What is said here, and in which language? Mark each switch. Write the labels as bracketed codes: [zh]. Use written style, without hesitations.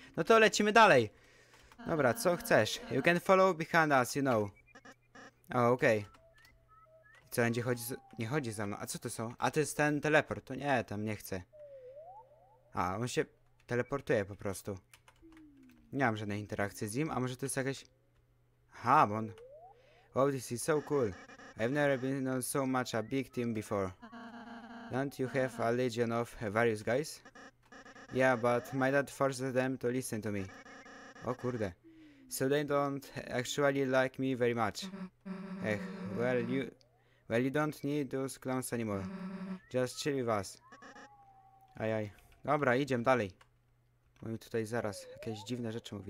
[pl] No to lecimy dalej. Dobra, co chcesz? [en] You can follow behind us, you know. [pl] O, okej. Co, będzie chodzi za... Nie chodzi za mną. A co to są? A to jest ten teleport. To nie, tam nie chcę. A, on się teleportuje po prostu. Nie mam żadnej interakcji z nim, a może to jest jakaś... Aha, bo on... [en] Wow, this is so cool. I've never been on so much a big team before. Don't you have a legion of various guys? Yeah, but my dad forced them to listen to me. Oh, kurde. So they don't actually like me very much. Eh, well, you don't need those clowns anymore. Just chill with us. Ajaj. [pl] Dobra, idziemy dalej. Mówi tutaj zaraz jakieś dziwne rzeczy mówi.